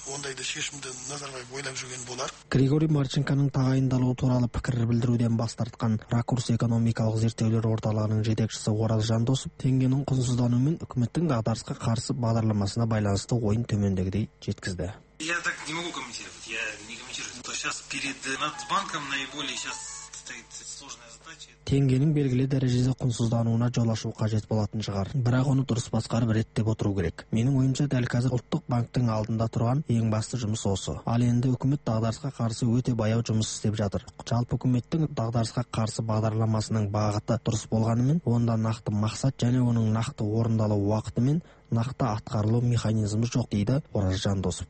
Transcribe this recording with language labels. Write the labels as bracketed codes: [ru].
[kk] Ондай да шешімді Назарбаев ойлап жүрген болар. Григорий Марченконың тағайындалуы туралы пікір білдіруден бас тартқан Ракурс экономикалық зерттеулер орталығының жетекшісі Оразжан Досов теңгенің құнсыздануы мен үкіметтің дағдарысқа қарсы бағдарламасына байланысты ойын төмендегідей жеткізді. [ru] Я так не могу комментировать, я не комментирую. То сейчас перед Нацбанком наиболее сейчас стоит сложная задача. [kk] Теңгенің белгілі дәрежеде құнсыздануына жол ашу қажет болатын шығар. Бірақ оны дұрыс басқарып реттеп отыру керек. Менің ойымша дәл қазір ұлттық банктің алдында тұрған ең басты жұмыс осы. Ал енді үкімет дағдарысқа қарсы өте баяу жұмыс істеп жатыр. Жалпы үкіметтің дағдарысқа қарсы бағдарламасының бағыты дұрыс болғанымен, онда нақты мақсат және оның нақты орындалу уақыты мен нақты атқарылу механизмі жоқ, дейді Оразжан Досов.